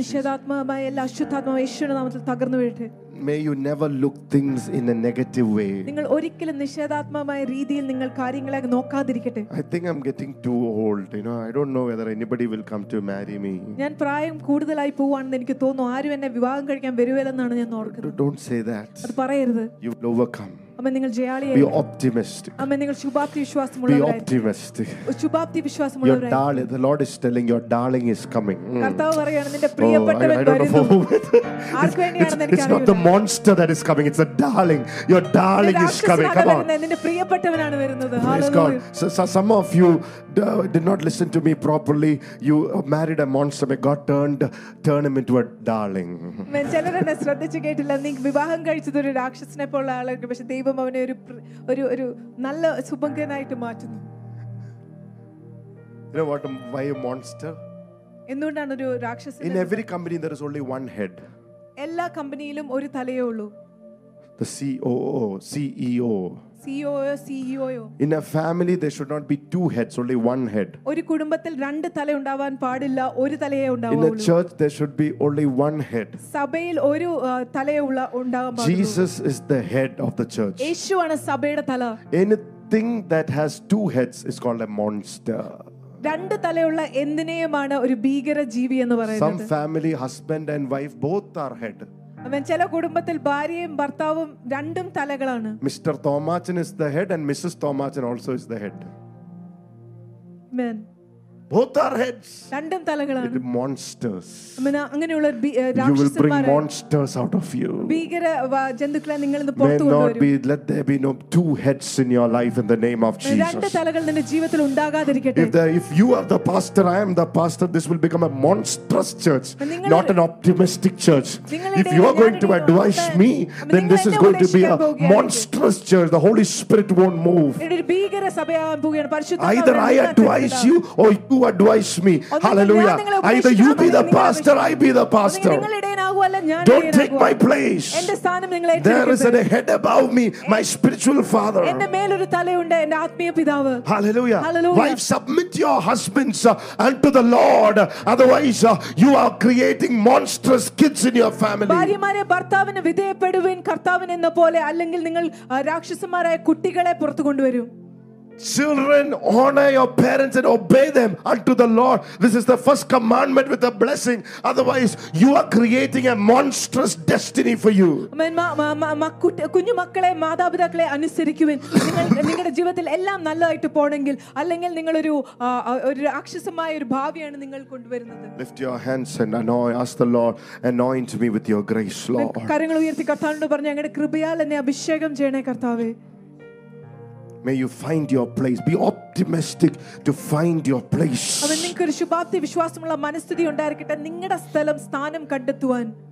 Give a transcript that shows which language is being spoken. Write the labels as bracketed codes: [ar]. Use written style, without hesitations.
[ml] നിഷേധാത്മാവ് എല്ലാ അശുദ്ധാത്മാവ് യേശുവിന്റെ നാമത്തിൽ തകർന്നു വീഴട്ടെ. [en] May you never look things in a negative way. [ml] നിങ്ങൾ ഒരിക്കലും നിഷേധാത്മാവായ രീതിയിൽ നിങ്ങൾ കാര്യങ്ങളെ നോക്കാതിരിക്കട്ടെ. [en] I think I'm getting too old, you know. I don't know whether anybody will come to marry me. [ml] ഞാൻ പ്രായം കൂടുതലായി പോവാണെന്ന് എനിക്ക് തോന്നുന്നു. ആരും എന്നെ വിവാഹം കഴിക്കാൻ വരുവേലെന്നാണ് ഞാൻ ഓർക്കുന്നത്. [en] Don't say that. [ml] അത് പറയരുത്. [en] You will overcome. [ml] അമ്മ നിങ്ങൾ ജയാളിയായി [en] be optimistic [ml] അമ്മ നിങ്ങൾ ശുഭാപ്തി വിശ്വാസമുള്ളവരായി [en] be optimistic [ml] ശുഭാപ്തി വിശ്വാസമുള്ളവരായി [en] your darling the lord is telling your darling is coming [ml] കർത്താവ് പറയുകയാണ് നിന്റെ പ്രിയപ്പെട്ടവൻ വരുന്നു ആർക്ക് വേണ്ടിയാണ് എന്ന് എനിക്കറിയില്ല [en] it's not the monster that is coming it's a darling your darling is coming come on [ml] നിന്റെ പ്രിയപ്പെട്ടവനാണ് വരുന്നത് hallelujah [en] some of you did not listen to me properly you married a monster but God turned him into a darling [ml] ഞാൻ ചിലരെ ശ്രദ്ധിച്ചു കേട്ടില്ല നിങ്ങൾ വിവാഹം കഴിച്ചത് ഒരു രാക്ഷസനെ പോലെ ആളാണ് പക്ഷേ ദൈവം അവനെ ഒരു ഒരു ഒരു നല്ല ശുഭങ്കനായിട്ട് മാറ്റുന്നു [en] you know what why a monster [ml] എന്തുകൊണ്ടാണ് ഒരു രാക്ഷസൻ? [en] In every company there is only one head. [ml] എല്ലാ കമ്പനിയിലും ഒരു തലയേ ഉള്ളൂ. [en] The COO, CEO. COO, CEO. In a family there should not be two heads, only one head. [ml] ഒരു കുടുംബത്തിൽ രണ്ട് തല ഉണ്ടാവാൻ പാടില്ല, ഒരു തലയേ ഉണ്ടാവുള്ളൂ. [en] In a church there should be only one head. [ml] സഭയിൽ ഒരു തലയേ ഉണ്ടാവാൻ പാടുള്ളൂ. [en] Jesus is the head of the church. [ml] യേശു ആണ് സഭയുടെ തല. [en] Anything that has two heads is called a monster. [ml] രണ്ട് തലയുള്ള എന്തിനെയുമാണ് ഒരു ഭീകര ജീവി എന്ന് പറയുന്നത്? [en] Some family husband and wife both are head. [ml] ചില കുടുംബത്തിൽ ഭാര്യയും ഭർത്താവും രണ്ടും തലകളാണ്. [en] Mr. Thomasin is the head and Mrs. Thomasin also is the head. Men. Both are heads. [ml] രണ്ടും തലകളാണ്. [en] The monsters. [ml] അമ്മേ അങ്ങനെയുള്ള രാക്ഷസന്മാരെ. [en] You will bring monsters out of you. [ml] ഭീകര ജന്തുക്കളെ നിങ്ങൾ നിന്ന് പുറത്തു കൊണ്ടുവരും. [en] Let there be no two heads in your life in the name of Jesus. [ml] രണ്ട് തലകൾ നിന്റെ ജീവിതത്തിൽ ഉണ്ടാകാതിരിക്കട്ടെ. [en] If you are the pastor, I am the pastor, this will become a monstrous church, not an optimistic church. If you are going to advise me, then this is going to be a monstrous church. The Holy Spirit won't move. [ml] ഇതൊരു ഭീകര സഭയാവാൻ പോവുകയാണ്. പരിശുദ്ധാത്മാവ്. [en] Either I advise you or you advise me. Hallelujah. Either you be the pastor, I be the pastor. Don't take my place. There is a head above me, my spiritual father. Hallelujah. Wife, submit your husbands unto the Lord. Otherwise, you are creating monstrous kids in your family. [ml] ഭാര്യമാരെ ഭർത്താവിനെ വിധേയപ്പെടുവിൻ കർത്താവിനെന്ന പോലെ, അല്ലെങ്കിൽ നിങ്ങൾ രാക്ഷസന്മാരായ കുട്ടികളെ പുറത്തു കൊണ്ടുവരും. [en] Children, honor your parents and obey them unto the Lord. This is the first commandment with a blessing. Otherwise, you are creating a monstrous destiny for you. Amen. [ml] കുഞ്ഞു മക്കളെ മാതാപിതാക്കളെ അനുസരിക്കുവിൻ. നിങ്ങൾ നിങ്ങളുടെ ജീവിതത്തിൽ എല്ലാം നല്ലതായിട്ട് പോണെങ്കിൽ, അല്ലെങ്കിൽ നിങ്ങൾ ഒരു ഒരു രാക്ഷസമായ ഒരു ഭാവിയാണ് നിങ്ങൾ കൊണ്ടുവരുന്നത്. [en] Lift your hands and ask the Lord, anoint me with your grace, Lord. [ml] കരങ്ങൾ ഉയർത്തി കർത്താവിനോട് പറഞ്ഞു, അങ്ങയുടെ കൃപയാൽ എന്നെ അഭിഷേകം ചെയ്യണേ കർത്താവേ. [en] May you find your place. Be optimistic to find your place. [ml] അവൻ നിങ്ങൾക്ക് ഒരു ശുഭാപ്തി വിശ്വാസമുള്ള മനസ്ഥിതി ഉണ്ടായിരിക്കട്ടെ, നിങ്ങളുടെ സ്ഥലം സ്ഥാനം കണ്ടെത്തുവാൻ.